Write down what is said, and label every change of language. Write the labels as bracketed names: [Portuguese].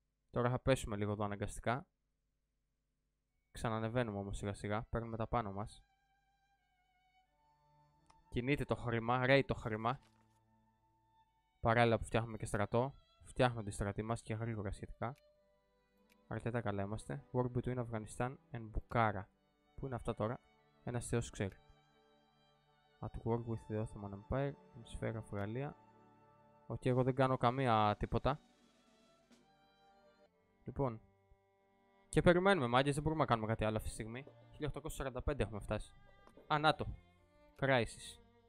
[Greek] Τώρα θα πέσουμε λίγο εδώ αναγκαστικά. Ξανανεβαίνουμε όμως σιγά σιγά. Παίρνουμε τα πάνω μας. Κινείται το χρήμα. Ρέει το χρήμα. Παράλληλα που φτιάχνουμε και στρατό. Φτιάχνονται οι στρατοί μας και γρήγορα σχετικά. Αρκετά καλά είμαστε. War between Afghanistan and Bukhara. Πού είναι αυτά τώρα? Ένας θεός ξέρει. [English] At war with the Ottoman Empire. In sphere of Galia. [Greek] Οκ, εγώ δεν κάνω καμία τίποτα. Λοιπόν. Και περιμένουμε, μάγκες, δεν μπορούμε να κάνουμε κάτι άλλο αυτή τη στιγμή. 1845 έχουμε φτάσει. Ανάτο. Crisis.